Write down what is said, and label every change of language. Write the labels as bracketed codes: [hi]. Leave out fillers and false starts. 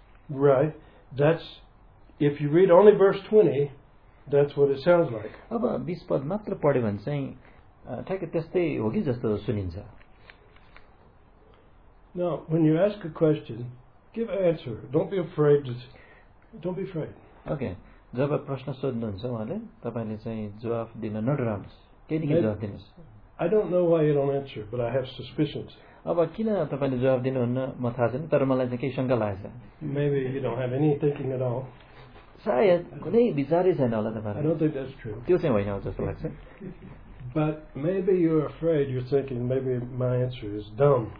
[en] Right. That's if you read only verse 20, that's what it sounds like. [ne] अब 20 पद मात्र पढ्यो भने चाहिँ ठ्याक्कै त्यस्तै हो कि जस्तो सुनिन्छ. [en] Now, when you ask a question, give an answer. Don't be afraid. Okay. [ne] जब प्रश्न सोध्नुहुन्छ उहाँले तपाईँले चाहिँ जवाब दिन नडराउनुहोस्. केही केही जवाब दिनुहोस्. [en] I don't know why you don't answer, but I have suspicions. [ne] अब किन तपाईँले जवाब दिनुहुन्न म थाहा छैन, तर मलाई चाहिँ केही शङ्का लागेको छ. [en] Maybe you don't have any thinking at all. [ne] सायद कुनै विचारै छैन होला तपाईँलाई. [en] I don't think that's true. [ne] त्यो चाहिँ होइन जस्तो लाग्छ. [en] But maybe you're afraid, you're thinking maybe my answer is dumb.